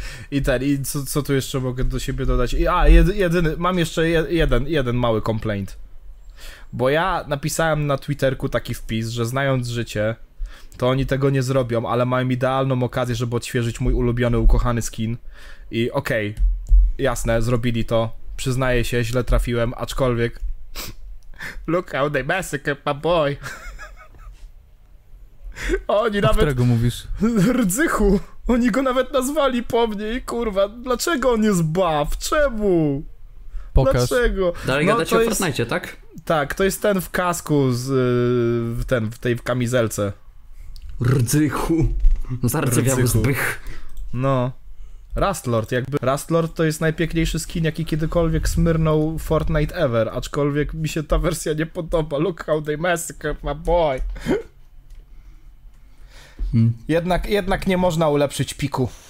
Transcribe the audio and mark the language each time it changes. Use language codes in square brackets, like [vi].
[pl] I ten, i co tu jeszcze mogę do siebie dodać? Mam jeszcze jeden mały complaint. Bo ja napisałem na Twitterku taki wpis, że znając życie, to oni tego nie zrobią, ale mają idealną okazję, żeby odświeżyć mój ulubiony, ukochany skin. I okej, jasne, zrobili to. Przyznaję się, źle trafiłem, aczkolwiek... [en] Look how they massacre my boy! [pl] Oni o nawet... którego mówisz? Rdzychu! Oni go nawet nazwali po mnie i kurwa, dlaczego on jest buff? Czemu? Pokaż. Dlaczego? Dalej gadać o Fortnite, tak? Tak, to jest ten w kasku, w tej kamizelce. Rdzychu. Zardzewiały zbych. No. Rastlord, jakby. Rastlord to jest najpiękniejszy skin, jaki kiedykolwiek smyrnął Fortnite ever, aczkolwiek mi się ta wersja nie podoba. [en] Look how they massacre my boy. [pl] Jednak nie można ulepszyć piku.